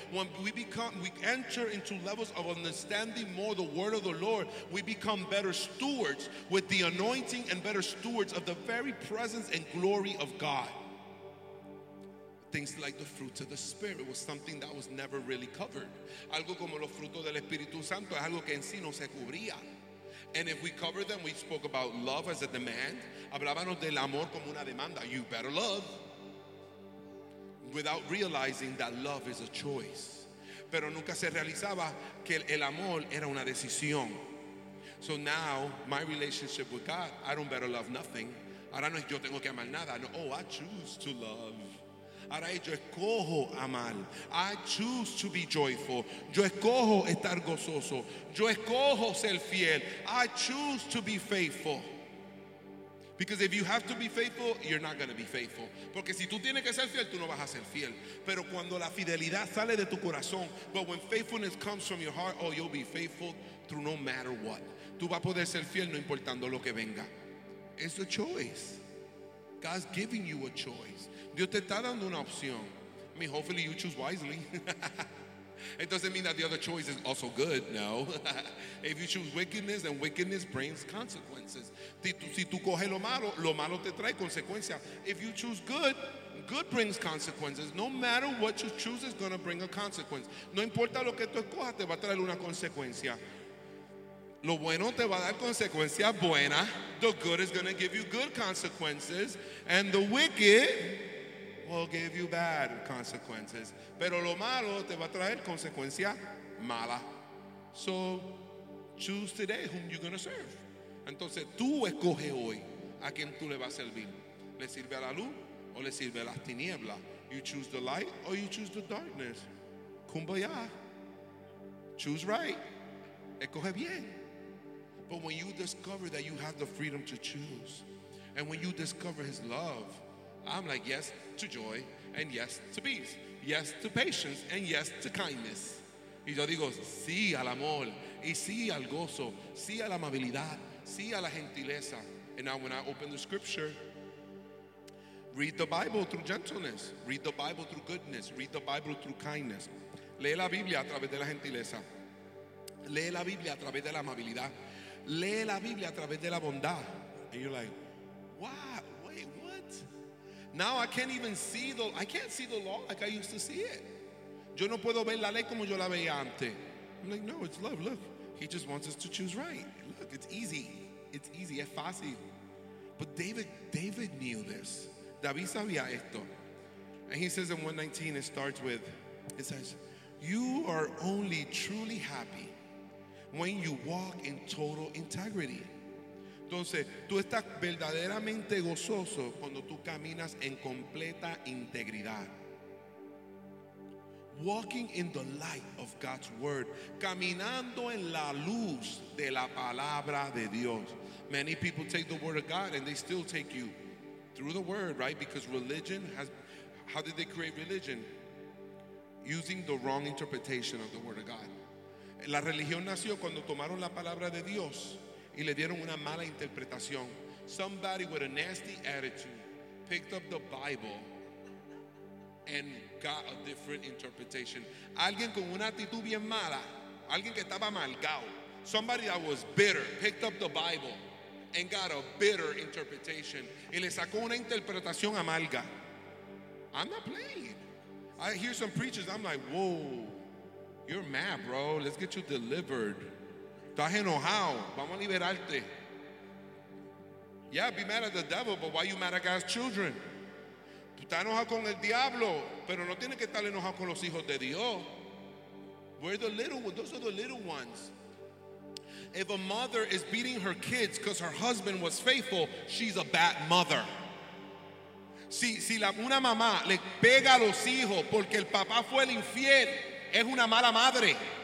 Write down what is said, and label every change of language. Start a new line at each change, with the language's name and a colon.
English: When we enter into levels of understanding more the word of the Lord, we become better stewards with the anointing and better stewards of the very presence and glory of God. Things like the fruits of the Spirit was something that was never really covered.
Spanish: Algo como los frutos del Espíritu Santo es algo que en sí no se cubría.
English: And if we cover them, we spoke about love as a demand.
Spanish: Hablábamos del amor como una demanda.
English: You better love. Without realizing that love is a choice.
Spanish: Pero nunca se realizaba que el amor era una decisión.
English: So now, my relationship with God, I don't better love nothing.
Spanish: Ahora no es yo tengo que amar nada.
English: No, oh, I choose to love.
Spanish: Ahora yo escojo amar.
English: I choose to be joyful.
Spanish: Yo escojo estar gozoso. Yo escojo ser fiel.
English: I choose to be faithful. Because if you have to be faithful, you're not going to be faithful.
Spanish: Porque si tú tienes que ser fiel, tú no vas a ser fiel. Pero cuando la fidelidad sale de tu corazón,
English: but when faithfulness comes from your heart, oh, you'll be faithful through no matter what.
Spanish: Tú vas a poder ser fiel no importando lo que venga.
English: It's a choice. God's giving you a choice.
Spanish: Dios te está dando una opción.
English: I mean, hopefully you choose wisely. It doesn't mean that the other choice is also good, no. If you choose wickedness, then wickedness brings consequences.
Spanish: Si tú coges lo malo te trae consecuencias.
English: If you choose good, good brings consequences. No matter what you choose, it's going to bring a consequence.
Spanish: No importa lo que tú escojas, te va a traer una consecuencia. Lo bueno te va a dar consecuencias buenas.
English: The good is going to give you good consequences. And the wicked will give you bad consequences.
Spanish: Pero lo malo te va a traer consecuencia mala.
English: So choose today whom you're going to serve.
Spanish: Entonces tú escoge hoy a quien tú le vas a servir. ¿Le sirve a la luz o le sirve a las tinieblas?
English: You choose the light or you choose the darkness. Kumbaya. Choose right.
Spanish: Escoge bien.
English: But when you discover that you have the freedom to choose, and when you discover his love, I'm like, yes to joy, and yes to peace, yes to patience, and yes to kindness.
Spanish: Y yo digo, sí al amor, y sí al gozo, sí a la amabilidad, sí a la gentileza.
English: And now when I open the scripture, read the Bible through gentleness, read the Bible through goodness, read the Bible through kindness.
Spanish: Lee la Biblia a través de la gentileza. Lee la Biblia a través de la amabilidad. Lee la Biblia a través de la bondad.
English: And you're like, what? Wait, what? Now I can't even see the, I can't see the law like I used to see it.
Spanish: Yo no puedo ver la ley como yo la veía antes.
English: I'm like, no, it's love, look. He just wants us to choose right. Look, it's easy. It's easy,
Spanish: es fácil.
English: But David knew this.
Spanish: David sabía esto.
English: And he says in 119, it starts with, it says, you are only truly happy when you walk in total integrity.
Spanish: Entonces, tú estás verdaderamente gozoso cuando tú caminas en completa integridad.
English: Walking in the light of God's word.
Spanish: Caminando en la luz de la palabra de Dios.
English: Many people take the word of God and they still take you through the word, right? Because religion has, how did they create religion? Using the wrong interpretation of the word of God.
Spanish: La religión nació cuando tomaron la palabra de Dios y le dieron una mala interpretación.
English: Somebody with a nasty attitude picked up the Bible and got a different interpretation.
Spanish: Alguien con una actitud bien mala, alguien que estaba amargado,
English: somebody that was bitter, picked up the Bible and got a bitter interpretation.
Spanish: Y le sacó una interpretación amarga.
English: I'm not playing. I hear some preachers, I'm like, whoa, you're mad, bro. Let's get you delivered.
Spanish: Estás enojado. Vamos a liberarte.
English: Yeah, be mad at the devil, but why are you mad at God's children?
Spanish: Tú estás enojado con el diablo, pero no tienes que estar enojado con los hijos de Dios.
English: We're the little ones. Those are the little ones. If a mother is beating her kids because her husband was faithful, she's a bad mother.
Spanish: Si una mamá le pega a los hijos porque el papá fue el infiel, es una mala madre.